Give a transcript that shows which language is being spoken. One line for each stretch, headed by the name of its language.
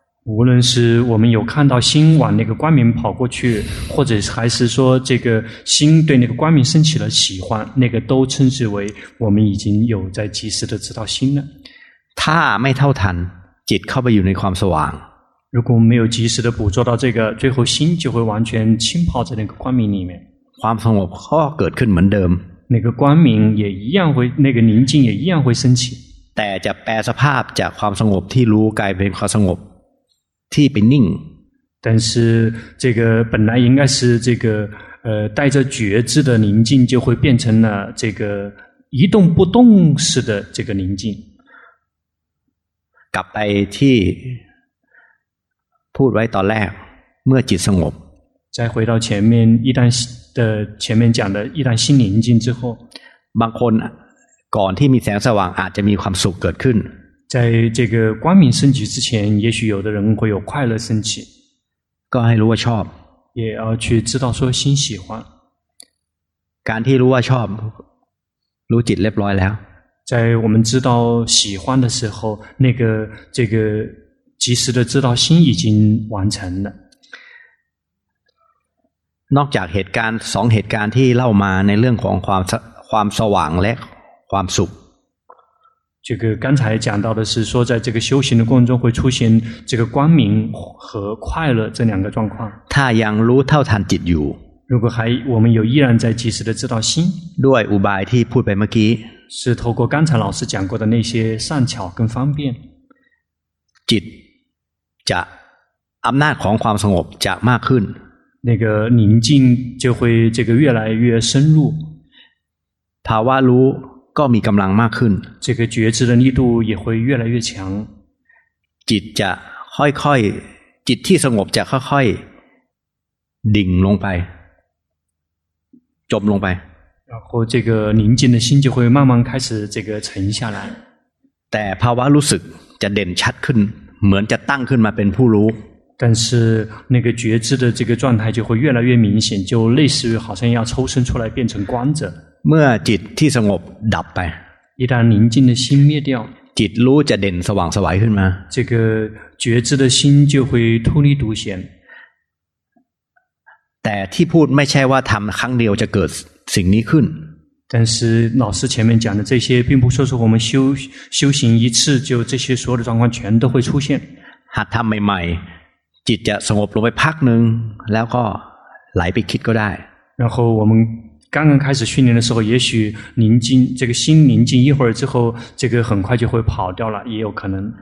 Chinese: 无论是我们有看到心往那个光明跑过去或者还是说这个心对那个光明升起了喜欢那个都称之为我们已经有在及时的知道心了
Thai: 他ไม่เท่าทันจิตเข้าไปอยู่ในความสว่าง
Chinese: 如果没有及时的捕捉到这个最后心就会完全浸泡在那个光明里面
Thai: ความสงบก็เกิดขึ้นเหมือนเดิม
Chinese: 那个光明也一样会那个宁静也一样会升起
Thai: แต่จะแปลสภาพจากความสงบที่รู้กลายเป็นความสงบที่เป็นนิ่ง
Chinese: 但是这个本来应该是这个带着觉知的宁静就会变成了这个一动不动式的这个宁静
Thai: กลับไปที่พูดไว้ตอนแรกเมื่อจิตสงบ
Chinese: 再回到前面一旦的前面讲的一旦心宁静之后
Thai: บางคนก่อนที่มีแสงสว่างอาจจะมีความสุขเกิดขึ้น
Chinese: 在这个光明升起之前也许有的人会有快乐升起
Thai: ก็ให้รู้ว่าชอบ
Chinese: 也要去知道说心喜欢
Thai: การที่รู้ว่าชอบรู้จิตเรียบร้อยแล้ว
Chinese: 在我们知道喜欢的时候那个这个及时的知道心已经完成了
Thai: นอกจากเหตุการณ์สองเหตุการณ์ที่เล่ามาในเรื่องของความสว่างและความสุข
Chinese: 这个刚才讲到的是说在这个修行的过程中会出现这个光明和快乐这两个状况
Thai: ถ้ายังรู้เท่าทันจิตอยู่
Chinese: 如果还我们有依然在及时的知道心，
Thai: ด้วยอุบายที่พูดไปเมื่อกี้
Chinese: 是透过刚才老师讲过的那些善巧跟方便，
Thai: จิตจะอำนาจของความสงบจะมากขึ้น
Chinese: 那个宁静就会这个越来越深入，
Thai: ภาวะรู้ก็มีกำลังมากขึ้น
Chinese: 这个觉知的力度也会越来越强，
Thai: จิตจะค่อยๆจิตที่สงบจะค่อยๆดิ่งลงไปจมลงไป
Chinese: 然后这个宁静的心就会慢慢开始这个沉下来，
Thai: แต่ภาวะรู้สึกจะเด่นชัดขึ้นเหมือนจะตั้งขึ้นมาเป็นผู้รู้
Chinese: 但是那个觉知的这个状态就会越来越明显，就类似于好像要抽身出来变成观者。
Thai: เมื่อจิตที่สงบดับไป，
Chinese: 一旦宁静的心灭掉，
Thai: จิตรู้จะเด่นสว่างสวัยขึ้นมา。
Chinese: 这个觉知的心就会突立独显。
Thai: แต่ที่พูดไม่ใช่ว่าทำครั้งเดียวจะเกิดสิ่งนี้ขึ้น。
Chinese: 但是老师前面讲的这些，并不说是我们修行一次就这些所有的状况全都会出现。
Thai: หัดทำใหม่จิตจะสงบลงไปพักหนึ่งแล้วก็ไหลไปคิดก็ได้
Chinese: 然后我们刚刚开始训练的时候也许宁静这个心宁静一会儿之后这个很快就会跑掉了也有可能